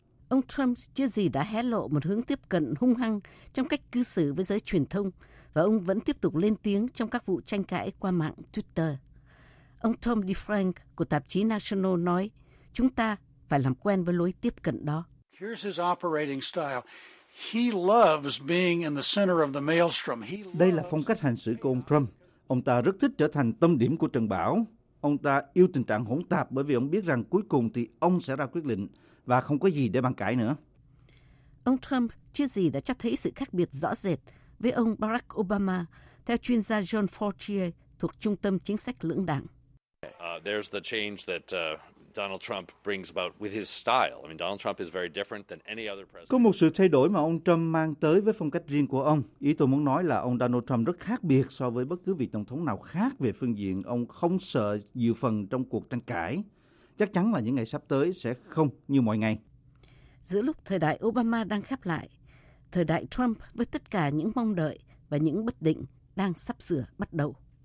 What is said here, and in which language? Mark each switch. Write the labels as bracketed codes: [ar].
[vi] Ông Trump chưa gì đã hé lộ một hướng tiếp cận hung hăng trong cách cư xử với giới truyền thông, và ông vẫn tiếp tục lên tiếng trong các vụ tranh cãi qua mạng Twitter. Ông Tom DeFrank của tạp chí National nói, chúng ta phải làm quen với lối tiếp cận đó. [en] Here's his operating style. He loves being in the center of the maelstrom. [vi] Đây là phong cách hành xử của ông Trump. Ông ta rất thích trở thành tâm điểm của trận bão. Ông ta yêu tình trạng hỗn tạp bởi vì ông biết rằng cuối cùng thì ông sẽ ra quyết định và không có gì để bàn cãi nữa. Ông Trump chưa gì đã cho thấy sự khác biệt rõ rệt với ông Barack Obama, theo chuyên gia John Fortier thuộc Trung tâm Chính sách Lưỡng Đảng. [en] There's the change that Donald Trump brings about with his style. I mean, Donald Trump is very different than any other president. [vi] Có một sự thay đổi mà ông Trump mang tới với phong cách riêng của ông. Ý tôi muốn nói là ông Donald Trump rất khác biệt so với bất cứ vị tổng thống nào khác về phương diện ông không sợ nhiều phần trong cuộc tranh cãi. Chắc chắn là những ngày sắp tới sẽ không như mọi ngày. Giữa lúc thời đại Obama đang khép lại, thời đại Trump với tất cả những mong đợi và những bất định đang sắp sửa bắt đầu.